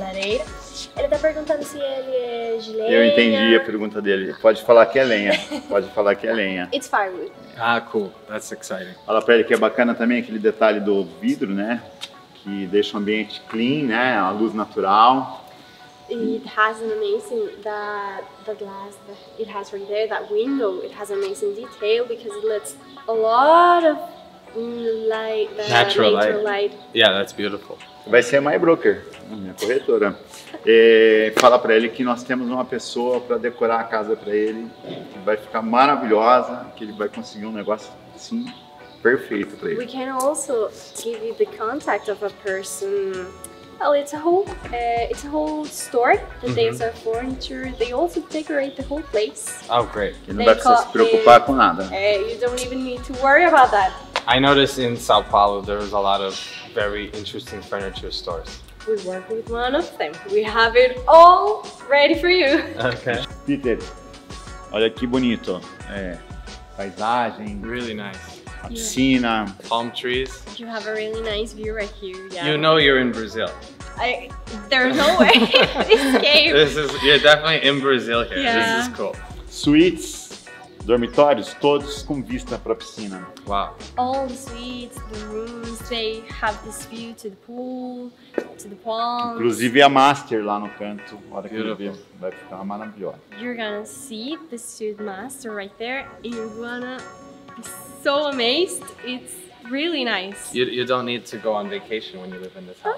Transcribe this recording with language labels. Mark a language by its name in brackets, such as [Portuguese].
[Portuguese] Ele tá perguntando se ele é de lenha. Eu entendi a pergunta dele. Pode falar que é lenha. [English] It's firewood. Ah, cool. That's exciting. [Portuguese] Fala pra ele que é bacana também aquele detalhe do vidro, né? Que deixa o ambiente clean, né? A luz natural. [English] It has an amazing, the glass that it has right there, that window, it has amazing detail because it lets a lot of light, natural light. Yeah, that's beautiful. [Portuguese] Vai ser [English] my broker, [Portuguese] minha corretora. E fala para ele que nós temos uma pessoa para decorar a casa para ele, que vai ficar maravilhosa, que ele vai conseguir um negócio assim perfeito para ele. [English] We can also give you the contact of a person. Well, it's a whole store that they sell furniture. They also decorate the whole place. Oh, great. [Portuguese] Que não dá para se preocupar com nada. [English] You don't even need to worry about that. I noticed in Sao Paulo there's a lot of very interesting furniture stores. We work with one of them. We have it all ready for you. Okay. [Portuguese] Peter, olha que bonito. É, paisagem. [English] Really nice. [Portuguese] A piscina. [English] Palm trees. You have a really nice view right here. Yeah. You know you're in Brazil. There's no way this is. You're definitely in Brazil here. Yeah. This is cool. [Portuguese] Suites. Dormitórios, todos com vista para a piscina. [English] Wow. All the suites, the rooms, they have this view to the pool, to the palms. [Portuguese] Inclusive a master lá no canto, a hora que ele vê, vai ficar maravilhosa. [English] You're gonna see the suite master right there, and you're gonna be so amazed. It's really nice. You don't need to go on vacation when you live in this house.